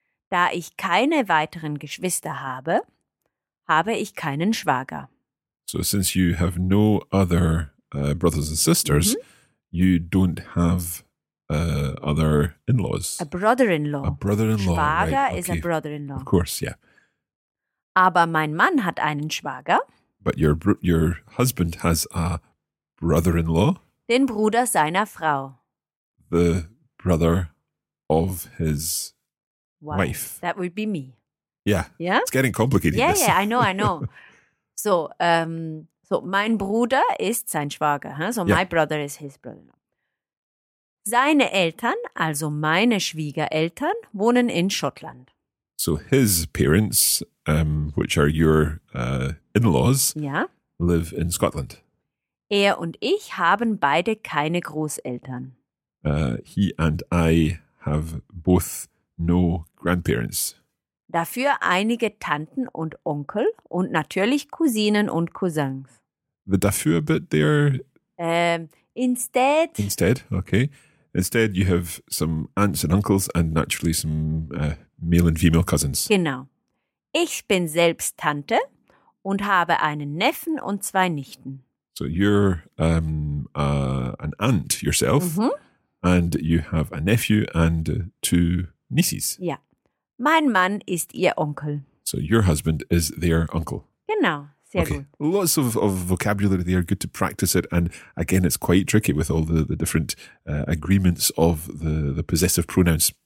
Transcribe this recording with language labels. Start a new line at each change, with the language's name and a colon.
German: Da ich keine weiteren Geschwister habe, habe ich keinen Schwager.
English: So since you have no other brothers and sisters, you don't have other in-laws. A brother-in-law. A brother-in-law.
German: Schwager,
English: right, is okay. A brother-in-law. Of course, yeah.
German: Aber mein Mann hat einen Schwager.
English: But your husband has a brother-in-law.
German: Den Bruder seiner Frau.
English: The brother of his wife. That would be me. Yeah. Yeah? It's getting complicated. Yeah, this. Yeah, I know. So, so
German: mein Bruder ist sein Schwager.
English: Huh? So, yeah. My brother is his brother-in-law.
German: Seine Eltern, also meine Schwiegereltern, wohnen in Schottland.
English: So his parents, which are your in-laws, yeah, live in Scotland.
German: Er und ich haben beide keine Großeltern.
English: He and I have both no grandparents.
German: Dafür einige Tanten und Onkel und natürlich Cousinen und Cousins.
English: The dafür bit there? Instead. Instead, okay. Instead, you have some aunts and uncles and naturally some male and female cousins.
German: Genau. Ich bin selbst Tante und habe einen Neffen und zwei Nichten.
English: So you're an aunt yourself, mm-hmm, and you have a nephew and two nieces.
German: Ja. Mein Mann ist ihr Onkel.
English: So your husband is their uncle.
German: Genau. Sehr
English: okay.
German: Gut.
English: Lots of vocabulary there. Good to practice it. And again, it's quite tricky with all the different agreements of the possessive pronouns.